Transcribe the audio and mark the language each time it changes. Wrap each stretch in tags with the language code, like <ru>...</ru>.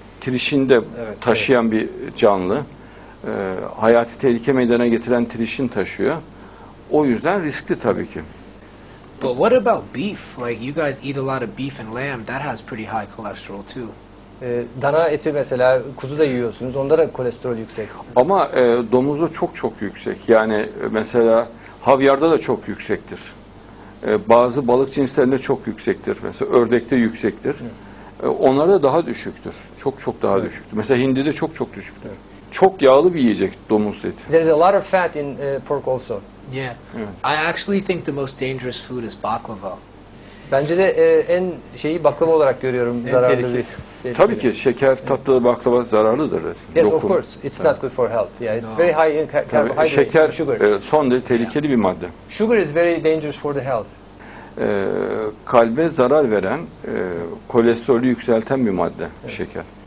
<tr>Trişinde taşıyan bir canlı, hayati tehlike meydana getiren trişin taşıyor. O yüzden riskli tabii ki.</tr> <en>But what about beef? Like you guys eat a lot of beef and lamb, that has pretty high cholesterol too.</en> <tr>Dana eti mesela, kuzu da yiyorsunuz, onda da kolesterol yüksek. Ama domuzda çok çok yüksek. Yani mesela havyarda da çok yüksektir. Bazı balık cinslerinde çok yüksektir. Mesela ördekte yüksektir. Onlarda daha düşüktür. Çok çok daha düşüktür. Mesela hindide çok çok düşüktür. Çok yağlı bir yiyecek domuz eti.</tr> <en>There's a lot of fat in pork also. Yeah. I actually think the most dangerous food is baklava.</en> <tr>Bence de en şeyi baklava olarak görüyorum, zararlı bir. Tabii ki şeker tatlı baklava zararlıdır resmen.</tr> <en>Yes, of course. It's not good for health. Yeah, it's very high in carbohydrates.</en> <tr>Şeker son derece tehlikeli bir madde.</tr> <en>Sugar is very dangerous for the health.</en> <tr>Kalbe zarar veren, kolesterolü yükselten bir madde, şeker.</tr>